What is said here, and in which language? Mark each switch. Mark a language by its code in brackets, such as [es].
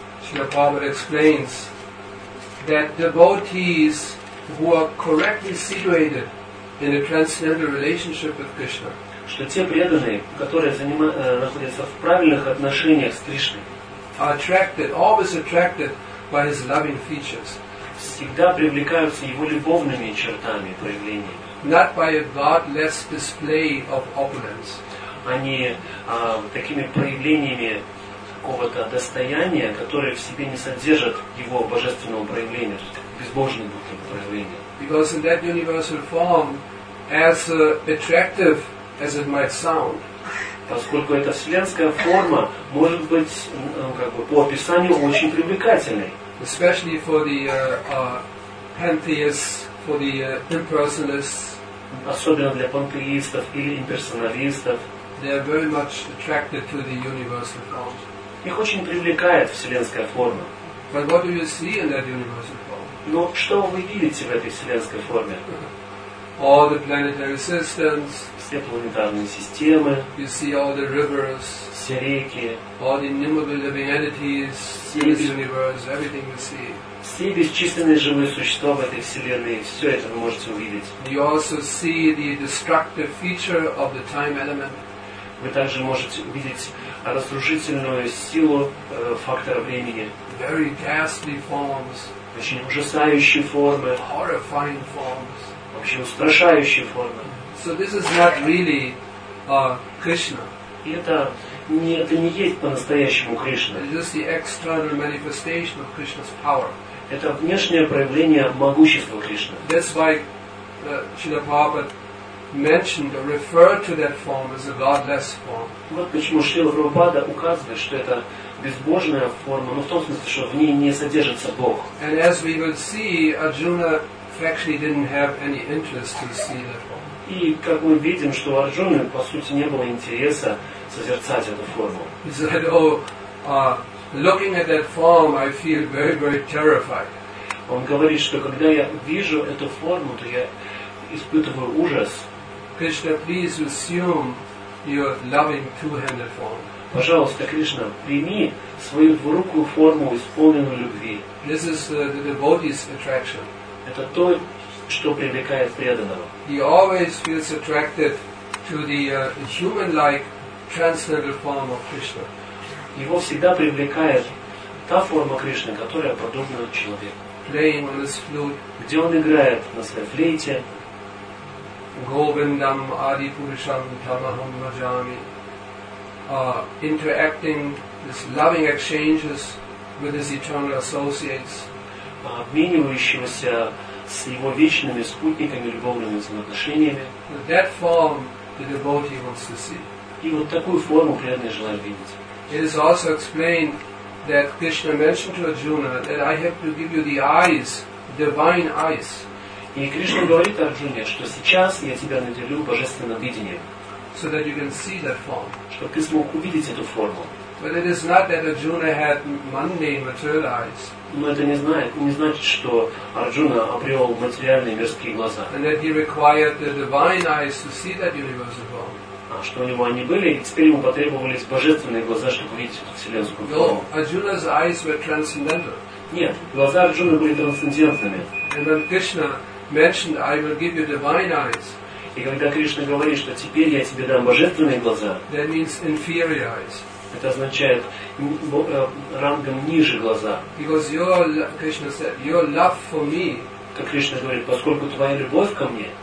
[en] Srila Prabhupada explains that devotees who are correctly situated in a transcendental relationship with Krishna. [ru] Что те преданные, которые находятся в правильных отношениях с Кришной, [en] are attracted, always attracted by his loving features. [ru] Всегда привлекаются его любовными чертами, проявлениями. [en] Not by a godless display of opulence. [ru] Они такими проявлениями какого-то достояния, которое в себе не содержит его божественного проявления, безбожного проявления. [en] Because in that universal form, as attractive as it might sound. [ru] Поскольку эта вселенская форма может быть, как бы по описанию, очень привлекательной. [en] Especially for the pantheists, for the impersonalists. [ru] Особенно для пантеистов или имперсоналистов. [en] They are very much attracted to the universal form. [ru] Их очень привлекает вселенская форма. [en] But what do you see in that universal form? [ru] Но что вы видите в этой вселенской форме? [en] All the planetary systems. [ru] Все планетарные системы. [en] You see all the rivers. [ru] Все реки. [en] All the innumerable living entities in this universe. Everything you see. [ru] Все бесчисленные живые существа в этой вселенной. Все это вы можете увидеть. [en] You also see the destructive feature of the time element. [ru] Вы также можете увидеть разрушительную силу фактора времени. [en] Very ghastly forms. [ru] Очень ужасающие формы. [en] Horrifying forms. [ru] Вообще устрашающие формы. [en] So this is not really Krishna. [ru] И это не есть по-настоящему Кришна. [en] It's just the external manifestation of Krishna's power. [ru] Это внешнее проявление могущества Кришны. [en] That's why Srila Prabhupada mentioned or referred to that form as a godless form. [ru] Вот почему Шрила Прабхупада указывает, что это безбожная форма, но в том смысле, что в ней не содержится Бог. [en] And as we would see, Arjuna actually didn't have any interest to see that form. [ru] И как мы видим, что у Арджуны по сути не было интереса созерцать эту форму. [en] He said, "Oh, looking at that form, I feel very, very terrified." [ru] Он говорит, что когда я вижу эту форму, то я испытываю ужас. [en] Krishna, please assume your loving two-handed form. [ru] Пожалуйста, Кришна, прими свою двурукую форму, исполненную любви. [en] This is the devotee's attraction. [ru] Это то, что привлекает преданного. [en] He always feels attracted to the human-like transcendental form of Krishna. [ru] Его всегда привлекает та форма Кришны, которая подобна человеку. [en] Playing on his flute, [ru] где он играет на своей флейте. [sa] Govindam Adi Purusham Tamaham Majami. [en] Interacting with loving exchanges with his eternal associates. [ru] Обменивающегося с его вечными спутниками, любовными взаимоотношениями. [en] With that form the devotee wants to see. [ru] И вот такую форму преданный желает видеть. [en] It is also explained that Krishna mentioned to Arjuna that I have to give you the eyes, divine eyes. [ru] И Кришна говорит Арджуне, что сейчас я тебя наделю божественным видением, [en] so that you can see that form. [ru] Чтобы ты смог увидеть эту форму. [en] But it is not that Arjuna had mundane material eyes. [ru] Но это не значит, что Арджуна обрел материальные мирские глаза. [en] And that he required the divine eyes to see that universal form. [ru] А что у него они были, и теперь ему потребовались божественные глаза, чтобы увидеть эту вселенскую форму. [en] Arjuna's eyes were transcendental. [ru] Нет, глаза Арджуны были трансцендентными. [en] And when Krishna mentioned, I will give you divine eyes. [ru] И когда Кришна говорит, что теперь я тебе дам божественные глаза, [en] that means inferior eyes. [ru] Это означает рангом ниже глаза. [en] Because Krishna said, your love for me, [ru] как Кришна говорит, поскольку твоя любовь ко мне,